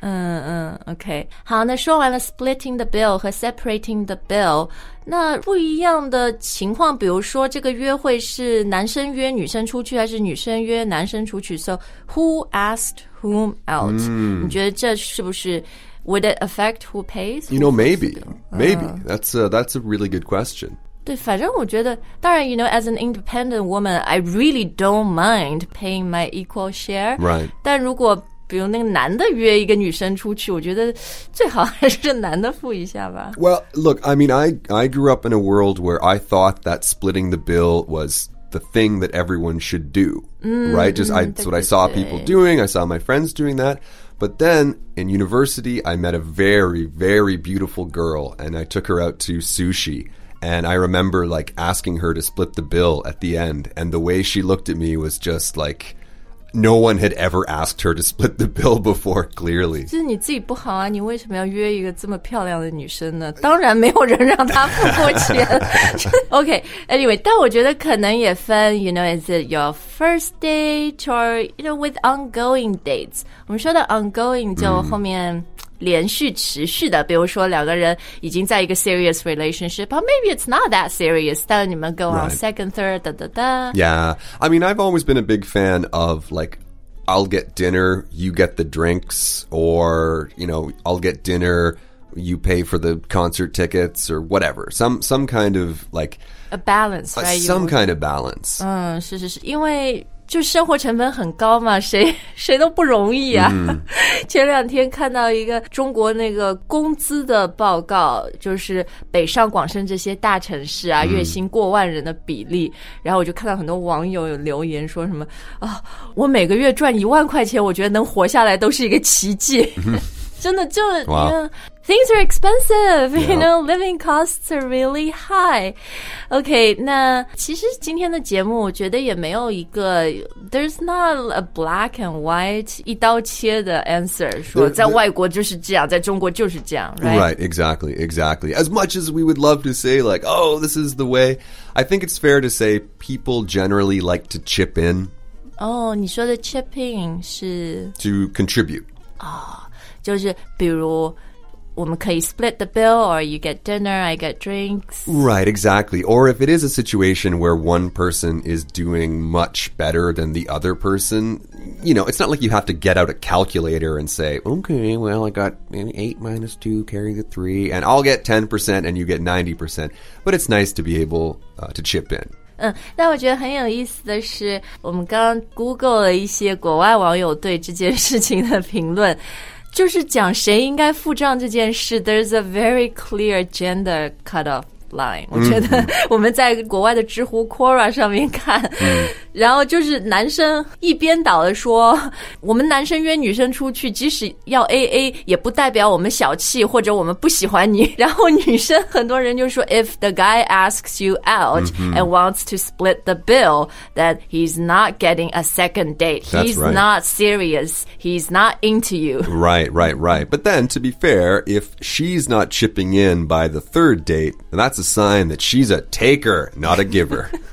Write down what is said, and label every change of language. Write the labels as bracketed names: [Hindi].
[Chinese] Okay. 好，那说完了 splitting the bill 和 separating the bill， 那不一样的情况，比如说这个约会是男生约女生出去，还是女生约男生出去 ？ [English] So who asked whom out？、 Mm. [Chinese] 你觉得这是不是 [English] would it affect who pays？ You know, maybe. That's a really good question. [Chinese] 对，反正我觉得，当然 [English] ，you know, as an independent woman, I really don't mind paying my equal share. Right. [Chinese] 但如果比如那个男的约一个女生出去，我觉得最好还是男的付一下吧。 [English] Well, look, I mean, I grew up in a world where I thought that splitting the bill was the thing that everyone should do. Right. Just that's what I saw people doing. I saw my friends doing that. But then, in university, I met a very, very beautiful girl, and I took her out to sushi. And I remember, like, asking her to split the bill at the end, and the way she looked at me was just like... No one had ever asked her to split the bill before, clearly. [Chinese] 就是你自己不好啊，你为什么要约一个这么漂亮的女生呢？当然没有人让她付过钱。 [English] Okay, anyway, [Chinese] 但我觉得可能也分 [English] you know, is it your first date or, you know, with ongoing dates? [Chinese] 我们说的 ongoing 就后面连续持续的，比如说两个人已经在一个 [English] serious relationship, or maybe it's not that serious, [Chinese] 但你们 [English] go on、right. second, third, da, da, da. Yeah, I mean, I've always been a big fan of, like, I'll get dinner, you get the drinks, or, you know, I'll get dinner, you pay for the concert tickets, or whatever. Some kind of, like... A balance, right? Some kind of balance. [Chinese] 嗯，是是是，因为就生活成本很高嘛，谁都不容易啊。 Mm. 前两天看到一个中国那个工资的报告，就是北上广深这些大城市啊， mm. 月薪过万人的比例。然后我就看到很多网友有留言说什么啊，我每个月赚10000块钱，我觉得能活下来都是一个奇迹。 Mm-hmm. 真的就、 [English] wow. you know, things are expensive,、yeah. you know, living costs are really high. [Chinese] Okay, 那其实今天的节目我觉得也没有一个 [English] there's not a black and white [Chinese] 一刀切的 answer, 说在外国就是这样，在中国就是这样 [English] right? Right, exactly, exactly. As much as we would love to say like, oh, this is the way, I think it's fair to say people generally like to chip in. [Chinese] Oh, 你说的 chipping 是 [English] To contribute. Oh, [Chinese] 就是比如我们可以 [English] split the bill, or you get dinner, I get drinks. Right, exactly. Or if it is a situation where one person is doing much better than the other person, you know, it's not like you have to get out a calculator and say, okay, well, I got 8 minus 2, carry the 3, and I'll get 10% and you get 90%. But it's nice to be able, to chip in. [Chinese] 嗯，那我觉得很有意思的是，我们刚刚 Google 了一些国外网友对这件事情的评论。就是讲谁应该付账这件事 ， [English] there's a very clear gender cutoff line、 [Chinese] mm-hmm.。我觉得我们在国外的知乎 Quora 上面看、 mm-hmm. ，然后就是男生一边倒的说，我们男生约女生出去，即使要 AA， 也不代表我们小气或者我们不喜欢你。然后女生很多人就说 ， [English] if the guy asks you out、 mm-hmm. and wants to split the bill， that he's not getting a second date， he's、right. not serious。 He's not into you. Right, right, right. But then, to be fair, if she's not chipping in by the third date, then that's a sign that she's a taker, not a giver.